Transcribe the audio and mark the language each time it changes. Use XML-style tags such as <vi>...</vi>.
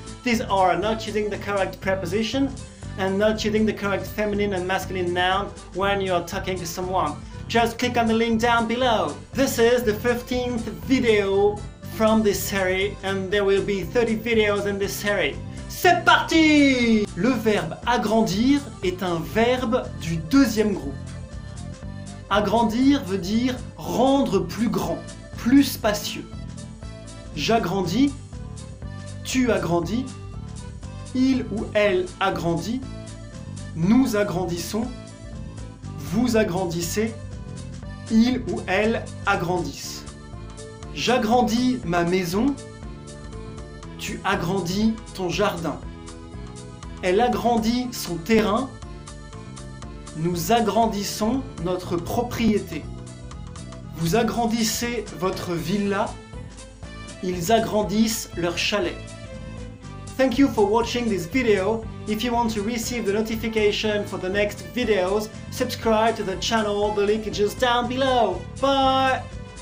<en>These are not using the correct preposition and not using the correct feminine and masculine noun when you are talking to someone. Just click on the link down below. This is the 15th video from this series, and there will be 30 videos in this series.</en> <fr>C'est parti! Le verbe agrandir est un verbe du deuxième groupe. Agrandir veut dire rendre plus grand, plus spacieux. J'agrandis, tu agrandis, il ou elle agrandit, nous agrandissons, vous agrandissez, ils ou elles agrandissent. J'agrandis ma maison, tu agrandis ton jardin. Elle agrandit son terrain, nous agrandissons notre propriété. Vous agrandissez votre villa, ils agrandissent leur chalet.</fr> <en>Thank you for watching this video. If you want to receive the notification for the next videos, subscribe to the channel, the link is just down below. Bye!</en>